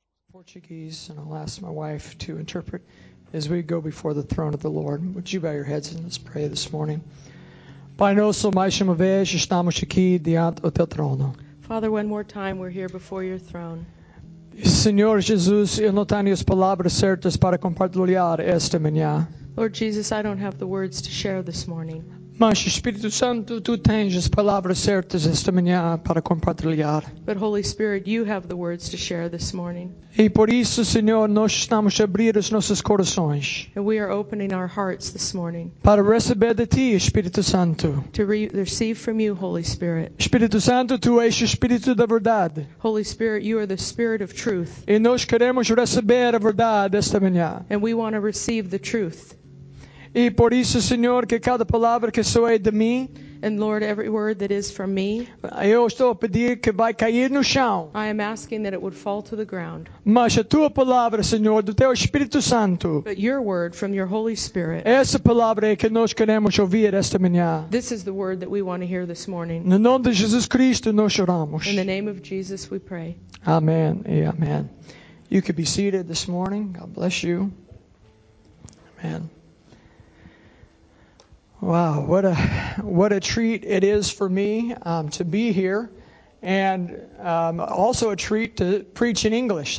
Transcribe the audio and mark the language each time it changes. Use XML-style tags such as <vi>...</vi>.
<en>Portuguese, and I'll ask my wife to interpret as we go before the throne of the Lord. Would you bow your heads and let's pray this morning?</en> <pt>Pai nosso, mais uma vez, estamos aqui diante do teu trono.</pt> <en>Father, one more time, we're here before your throne.</en> <pt>Senhor Jesus, eu não tenho as palavras certas para compartilhar esta manhã.</pt> <en>Lord Jesus, I don't have the words to share this morning.</en> <pt>Mas Espírito Santo, tu tens as palavras certas esta manhã para compartilhar.</pt> <en>But Holy Spirit, you have the words to share this morning.</en> <pt>E por isso, Senhor, nós estamos a abrir os nossos corações.</pt> <en>And we are opening our hearts this morning.</en> <pt>Para receber de ti, Espírito Santo.</pt> <en>To receive from you, Holy Spirit.</en> <pt>Espírito Santo, tu és o Espírito da verdade.</pt> <en>Holy Spirit, you are the Spirit of truth.</en> <pt>E nós queremos receber a verdade esta manhã.</pt> <en>And we want to receive the truth.</en> <pt>E por isso, Senhor, que cada palavra que soe de mim,</pt> <en>and Lord, every word that is from me,</en> <pt>eu estou a pedir que vai cair no chão.</pt> <en>I am asking that it would fall to the ground.</en> <pt>Mas a tua palavra, Senhor, do teu Espírito Santo,</pt> <en>but your word from your Holy Spirit,</en> <pt>essa palavra é que nós queremos ouvir esta manhã.</pt> <en>This is the word that we want to hear this morning.</en> <pt>No nome de Jesus Cristo, nós oramos.</pt> <en>In the name of Jesus, we pray. Amen. Yeah, amen. You could be seated this morning. God bless you. Amen. Wow, what a treat it is for me to be here, and also a treat to preach in English.</en>